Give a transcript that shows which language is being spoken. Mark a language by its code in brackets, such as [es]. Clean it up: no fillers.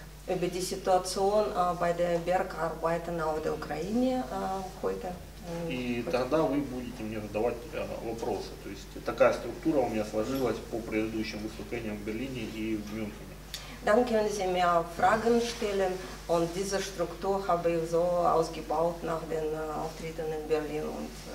[de] Über die Situation bei den Bergarbeitern auf der Ukraine heute. [ru] И тогда вы будете мне задавать вопросы. То есть такая структура у меня сложилась по предыдущим выступлениям в Берлине и в Мюнхене. [de] Dann können Sie mir Fragen stellen und diese Struktur habe ich so ausgebaut nach den Auftritten in Berlin und